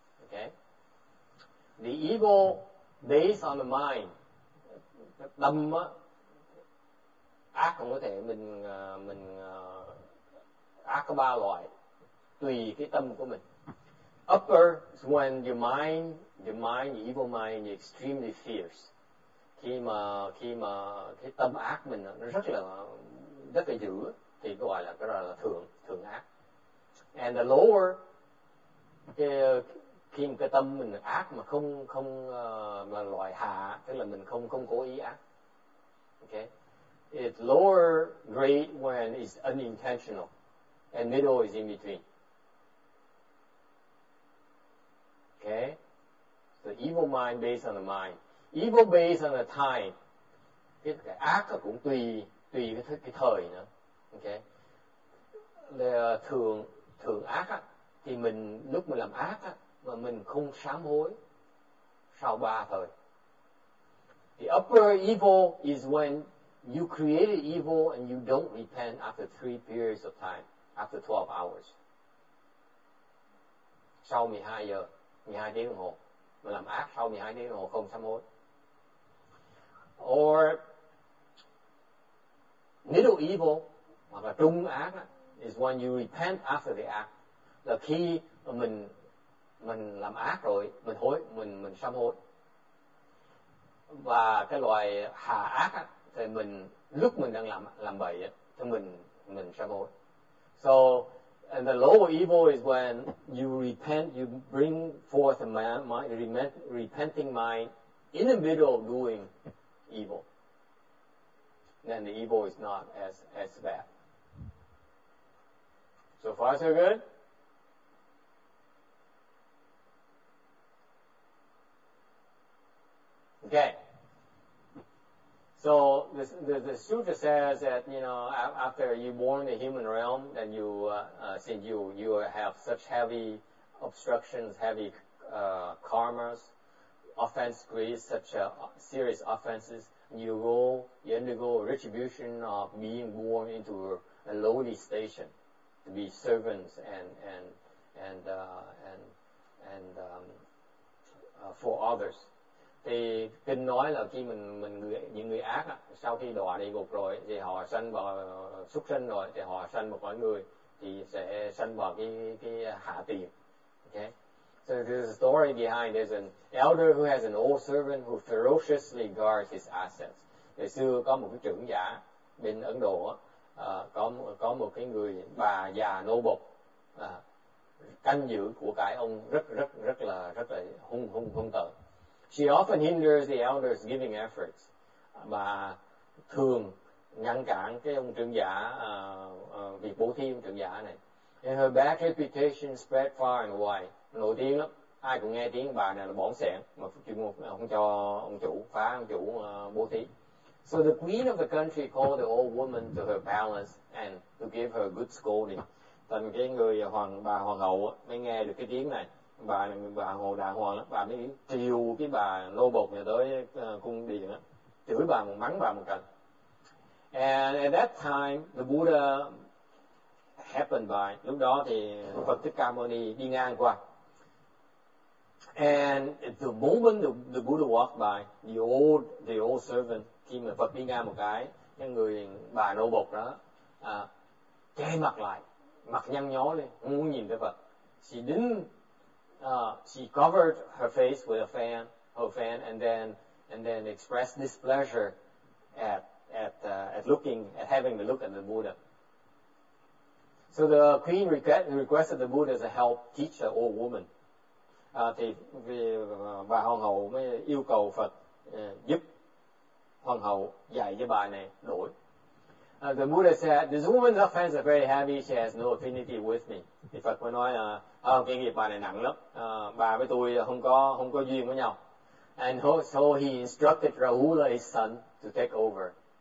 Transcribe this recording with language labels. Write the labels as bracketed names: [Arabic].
[English] Okay, the evil based on the mind, [Vietnamese] tâm á, ác cũng có thể mình ác có ba loại, tùy cái tâm của mình. [English] Upper is when your mind, your evil mind, is extremely fierce. [Vietnamese] Khi mà cái tâm ác mình nó rất là dữ thì gọi là cái là thượng ác. [English] And the lower, [Vietnamese] khi mà cái tâm mình ác mà không mà loại hạ, tức là mình không cố ý ác. [English] Okay, it's lower grade when it's unintentional, and middle is in between. Okay, so evil mind based on the mind, evil based on the time. [Vietnamese] Cái ác cũng tùy cái thời nữa. Okay, là thường ác á, thì mình lúc mình làm ác á, mà mình không sám hối sau ba thời. [English] The upper evil is when you created evil and you don't repent after three periods of time, after 12 hours. [Vietnamese] Sau 12 giờ. 12 tiếng đồng hồ, mà làm ác sau 12 tiếng đồng hồ không sám hối. [English] Or middle evil [Vietnamese] hoặc là trung ác [English] is when you repent after the act. [Vietnamese] Là khi mình làm ác rồi mình sám hối. Và cái loại hạ ác thì mình lúc mình đang làm bậy thì mình sám hối. [English] So and the lower evil is when you repent, you bring forth a repenting mind in the middle of doing evil. Then the evil is not as bad. So far, so good? Okay. So the sutra says that, you know, after you born in the human realm, then you since you have such heavy obstructions, heavy karmas, offense grades, such serious offenses, you undergo retribution of being born into a lowly station to be servants and for others. [Vietnamese] Thì kinh nói là khi mình những người ác á, sau khi đọa địa ngục rồi thì họ sanh vào xuất sinh rồi thì họ sanh một cõi người thì sẽ sanh vào cái hạ tiền. [English] Okay, so there's a story behind. There's an elder who has an old servant who ferociously guards his assets. [Vietnamese] Ngày xưa có một cái trưởng giả bên Ấn Độ có một cái người bà già nô bộc canh giữ của cải ông rất là hung tợn. [English] She often hinders the elder's giving efforts. [Vietnamese] Bà thường ngăn cản cái ông trưởng giả việc bố thí ông trưởng giả này. [English] And her bad reputation spread far and wide. [Vietnamese] Nổi tiếng lắm, ai cũng nghe tiếng bà này là bỏng sẻn mà không cho ông chủ phá ông chủ bố thí. [English] So the queen of the country called the old woman to her palace and to give her a good scolding. [Vietnamese] Thành cái người hoàng bà hoàng hậu mới nghe được cái tiếng này, bà hồ đàng hoàng lắm, bà mới triều cái bà nô bộc này tới cung điện á, chửi bà một mắng bà một cành. [English] And at that time the Buddha happened by. [Vietnamese] Lúc đó thì Phật Thích Ca Mâu Ni đi ngang qua. [English] And the moment the Buddha walked by, the old servant, [Vietnamese] khi mà Phật đi ngang một cái, cái người bà nô bộc đó che mặt lại, mặt nhăn nhó lên, không muốn nhìn tới Phật. [English] She didn't she covered her face with her fan and then expressed displeasure at looking at having the look at the Buddha. So the queen requested the Buddha to help teach the old woman. [Vietnamese] Thì bà hoàng hậu mới yêu cầu Phật giúp hoàng hậu dạy cho bà này đổi. [English] The Buddha said, "This woman's offense are very heavy. She has no affinity with me." [Vietnamese] Thì Phật mới nói, cái nghiệp bà này nặng lắm. Bà với tôi không có duyên với nhau. [English] And so he instructed Rahula, his son, to take over.